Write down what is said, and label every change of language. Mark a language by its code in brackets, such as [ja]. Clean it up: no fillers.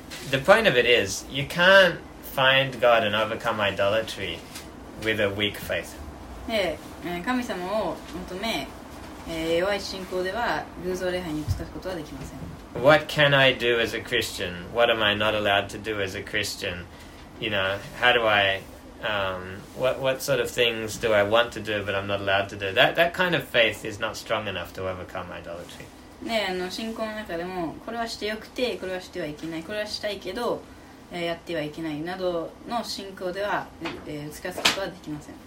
[en] The point of it is, you can't find God and overcome idolatry with a weak faith. [ja] で、神様を求め、弱い信仰では偶像礼拝に近づくことはできません。 [en] What can I do as a Christian? What am I not allowed to do as a Christian? You know, how do I, what sort of things do I want to do but I'm not allowed to do? That kind of faith is not strong enough to overcome idolatry. [ja] で信仰の中でもこれはしてよくてこれはしてはいけないこれはしたいけど、やってはいけないなどの信仰では、打ち勝つことはできません。